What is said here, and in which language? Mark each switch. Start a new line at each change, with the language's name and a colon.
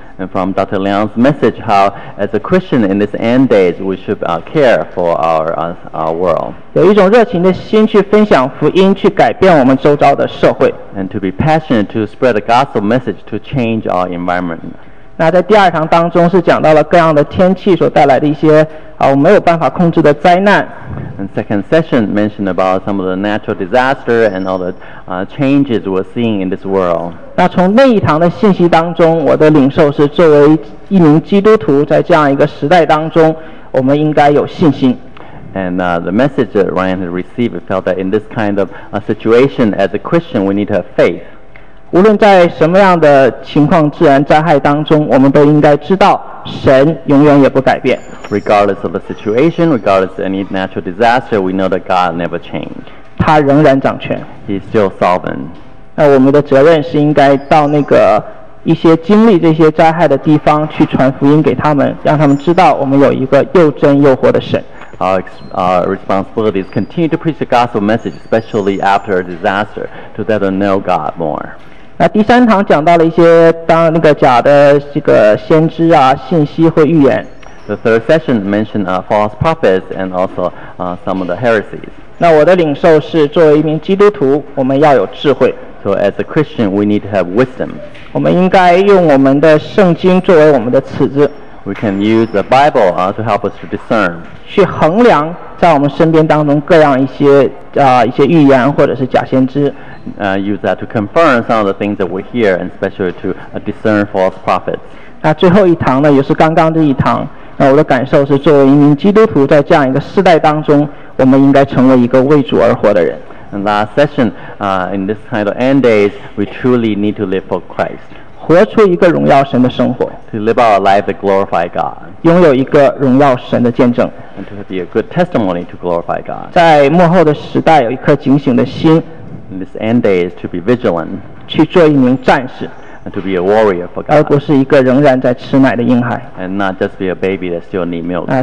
English: and from Dr. Liang's message how as a Christian in this end days we should care for our world.
Chinese: 有一种热情的心去分享福音，去改变我们周遭的社会。
English: And to be passionate to spread the gospel message to change our environment.
Chinese: 那在第二堂当中是讲到了各样的天气所带来的一些我们没有办法控制的灾难。
English: And second session mentioned about some of the natural disaster and all the changes we're seeing in this world.
Chinese: 那从那一堂的信息当中，我的领受是作为一名基督徒，在这样一个时代当中，我们应该有信心。
English: And the message that Ryan had received felt that in this kind of situation as a Christian, we need to have faith.
Chinese: 无论在什么样的情况，自然灾害当中，我们都应该知道神永远也不改变。
English: Regardless of the situation, regardless of any natural disaster, we know that God never changed.
Chinese: 他仍然掌权。
English: He's still sovereign.
Chinese: 那我们的责任是应该到那个一些经历这些灾害的地方去传福音给他们，让他们知道我们有一个又真又活的神。
English: Our responsibility is continue to preach the gospel message, especially after a disaster, to let them know God more.
Chinese: 那第三堂讲到了一些当那个假的这个先知啊，信息或预言。
English: The third session mentioned false prophets and also some of the heresies.
Chinese: 那我的领受是作为一名基督徒，我们要有智慧。
English: So as a Christian, we need to have wisdom.
Chinese: 我们应该用我们的圣经作为我们的尺子。
English: We can use the Bible to help us to discern.
Chinese: 去衡量在我们身边当中各样一些一些预言或者是假先知。
English: Use that to confirm some of the things that we hear, and especially to discern false prophets.
Chinese: 那最后一堂呢，也是刚刚这一堂。那我的感受是，作为一名基督徒，在这样一个世代当中，我们应该成为一个为主而活的人。
English: And last session, in this kind of end days, we truly need to live for Christ.
Chinese: 活出一个荣耀神的生活。
English: To live our life to glorify God.
Chinese: 拥有一个荣耀神的见证。
English: And to be a good testimony to glorify God.
Chinese: 在末后的时代，有一颗警醒的心。
English: In this end days, to be vigilant.
Chinese: 去做一名战士。
English: And to be a warrior for God.
Chinese: 而不是一个仍然在吃奶的婴孩。
English: And not just be a baby that still need milk.